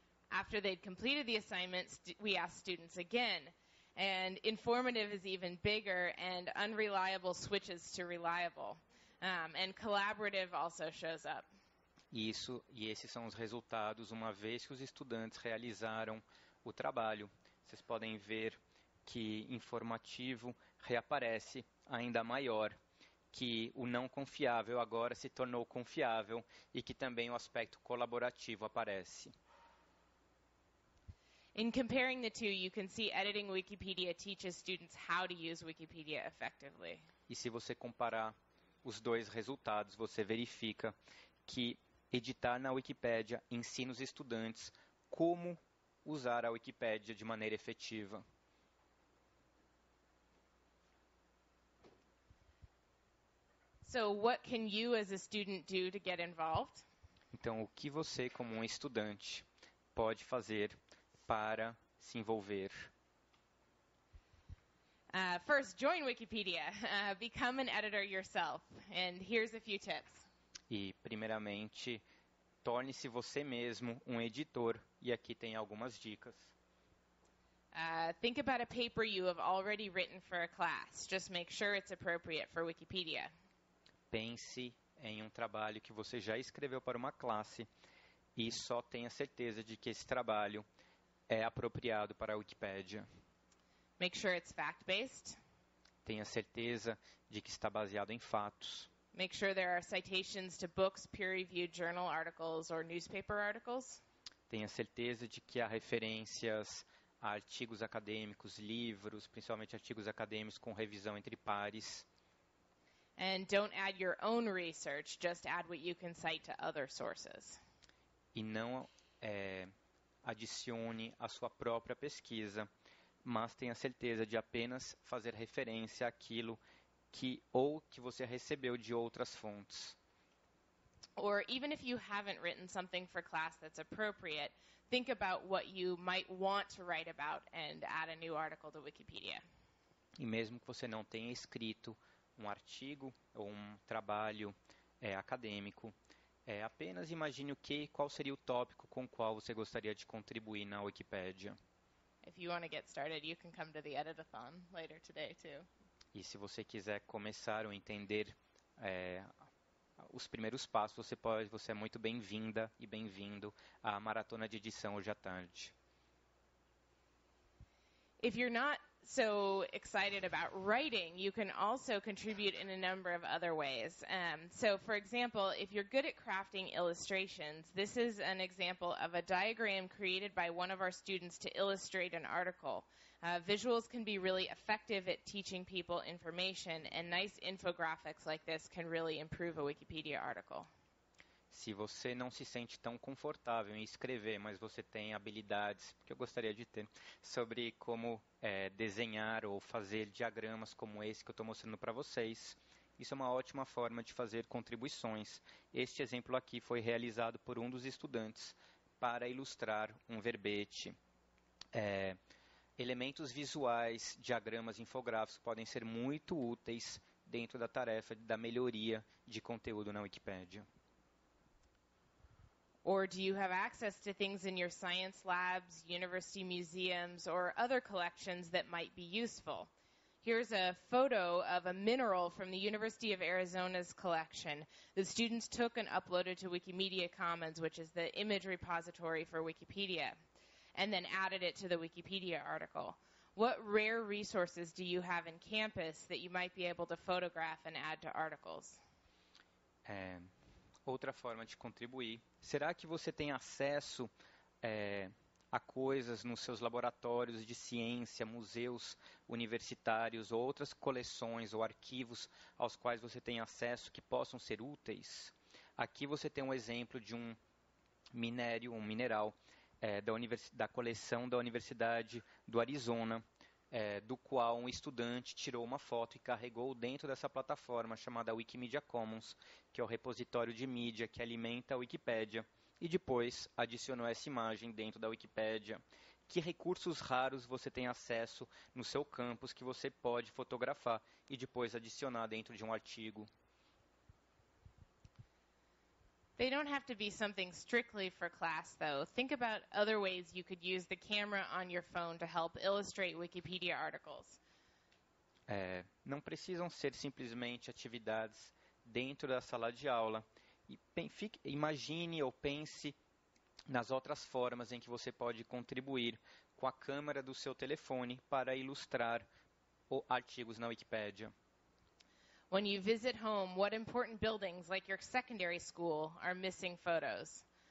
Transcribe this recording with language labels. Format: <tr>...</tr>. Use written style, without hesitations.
<en>After they'd completed the assignments, we asked students again. And informative is even bigger, and unreliable switches to reliable. And collaborative also shows up.</en> <pt>Isso, e esses são os resultados, uma vez que os estudantes realizaram o trabalho. Vocês podem ver que informativo reaparece ainda maior, que o não confiável agora se tornou confiável e que também o aspecto colaborativo aparece.</pt> <en>In comparing the two, you can see editing Wikipedia teaches students how to use Wikipedia effectively.</en> <pt>E se você comparar os dois resultados, você verifica que editar na Wikipédia ensina os estudantes como usar a Wikipédia de maneira efetiva.</pt> <en>So, what can you as a student do to get involved?</en> <pt>Então, o que você, como um estudante, pode fazer para se envolver?</pt> <en>First, join Wikipedia. Become an editor yourself. And here's a few tips.</en> <pt>E, primeiramente, torne-se você mesmo um editor, e aqui tem algumas dicas.</pt> <en>Think about a paper you have already written for a class. Just make sure it's appropriate for Wikipedia.</en> <pt>Pense em um trabalho que você já escreveu para uma classe e só tenha certeza de que esse trabalho é apropriado para a Wikipédia.</pt> <en>Make sure it's fact-based.</en> <pt>Tenha certeza de que está baseado em fatos.</pt> <en>Make sure there are citations to books, peer-reviewed journal articles, or newspaper articles.</en> <pt>Tenha certeza de que há referências a artigos acadêmicos, livros, principalmente artigos acadêmicos com revisão entre pares.</pt> <en>And don't add your own research, just add what you can cite to other sources.</en> <pt>E não adicione a sua própria pesquisa, mas tenha certeza de apenas fazer referência àquilo que você recebeu de outras fontes.</pt> <en>Or even if you haven't written something for class that's appropriate, think about what you might want to write about and add a new article to Wikipedia.</en> <pt>E mesmo que você não tenha escrito um artigo ou um trabalho acadêmico, apenas imagine qual seria o tópico com o qual você gostaria de contribuir na Wikipédia.</pt> <en>If you want to get started, you can come to the edit-a-thon later today too.</en> <pt>E se você quiser começar ou entender os primeiros passos, você é muito bem-vinda e bem-vindo à maratona de edição hoje à tarde.</pt> <en>If you're not so excited about writing, you can also contribute in a number of other ways. So, for example, if you're good at crafting illustrations, this is an example of a diagram created by one of our students to illustrate an article. Visuals can be really effective at teaching people information, and nice infographics like this can really improve a Wikipedia article.</en> <pt>Se você não se sente tão confortável em escrever, mas você tem habilidades, que eu gostaria de ter, sobre como desenhar ou fazer diagramas como esse que eu estou mostrando para vocês, isso é uma ótima forma de fazer contribuições. Este exemplo aqui foi realizado por um dos estudantes para ilustrar um verbete. Elementos visuais, diagramas, infográficos podem ser muito úteis dentro da tarefa da melhoria de conteúdo na Wikipédia.</pt> <en>Or do you have access to things in your science labs, university museums, or other collections that might be useful? Here's a photo of a mineral from the University of Arizona's collection that students took and uploaded to Wikimedia Commons, which is the image repository for Wikipedia, and then added it to the Wikipedia article. What rare resources do you have in campus that you might be able to photograph and add to articles?</en> <pt>Outra forma de contribuir. Será que você tem acesso a coisas nos seus laboratórios de ciência, museus universitários, ou outras coleções ou arquivos aos quais você tem acesso que possam ser úteis? Aqui você tem um exemplo de um mineral da coleção da Universidade do Arizona, do qual um estudante tirou uma foto e carregou dentro dessa plataforma chamada Wikimedia Commons, que é o repositório de mídia que alimenta a Wikipédia, e depois adicionou essa imagem dentro da Wikipédia. Que recursos raros você tem acesso no seu campus que você pode fotografar e depois adicionar dentro de um artigo?</pt> <en>They don't have to be something strictly for class, though. Think about other ways you could use the camera on your phone to help illustrate Wikipedia articles.</en> <pt>Não precisam ser simplesmente atividades dentro da sala de aula. Imagine ou pense nas outras formas em que você pode contribuir com a câmera do seu telefone para ilustrar artigos na Wikipédia.</pt> <en>When you visit home, what important buildings, like your secondary school, are missing photos?</en>